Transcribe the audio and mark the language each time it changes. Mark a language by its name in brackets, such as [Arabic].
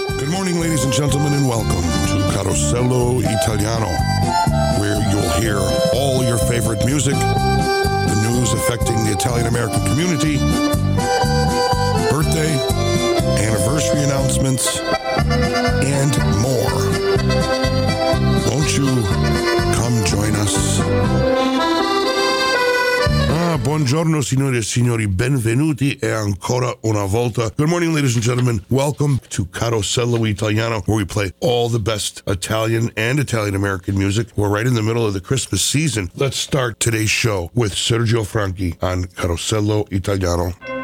[English] morning, ladies and gentlemen, and welcome to Carosello Italiano, where you'll hear all your favorite music, the news affecting the Italian-American community, birthday, anniversary announcements, and more. Won't you come join us? [Italian] Buongiorno, signore e signori, benvenuti e ancora una volta. [English] Good morning, ladies and gentlemen. Welcome to Carosello Italiano, where we play all the best Italian and Italian-American music. We're right in the middle of the Christmas season. Let's start today's show with Sergio Franchi on Carosello Italiano.